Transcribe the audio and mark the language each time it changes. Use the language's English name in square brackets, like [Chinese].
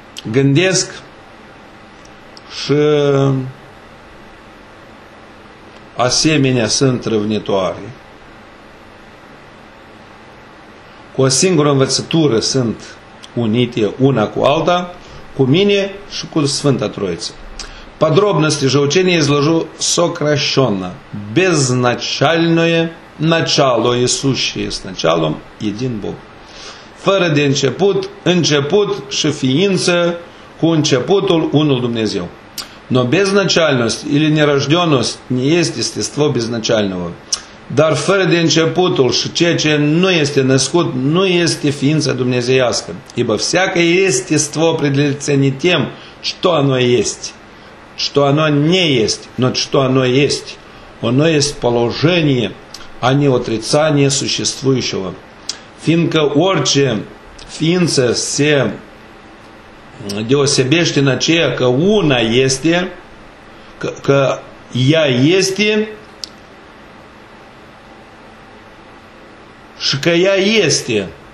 [Romanian] Gândesc și asemenea sunt răvnitoare. Cu o singură învățătură sunt unite una cu alta, cu mine și cu Sfânta Троица. [Russian] Подробности же учения изложу сокращенно, без начальное начало, исущее с началом, един Бог. [Romanian] Фără de început, început și ființă, cu începutul, unul Dumnezeu. [Russian] Но безначальность или нерожденность не есть естество безначального. [Romanian] Dar fără de începutul și ceea ce nu este născut, nu este ființă dumnezeiască. [Russian] Ибо всякое естество определяется не тем, что оно есть. Что оно не есть, но что оно есть. Оно есть положение, а не отрицание существующего. [Romanian] Fiindcă orice ființă se deosebește în aceea că una este, că ea este și că ea este.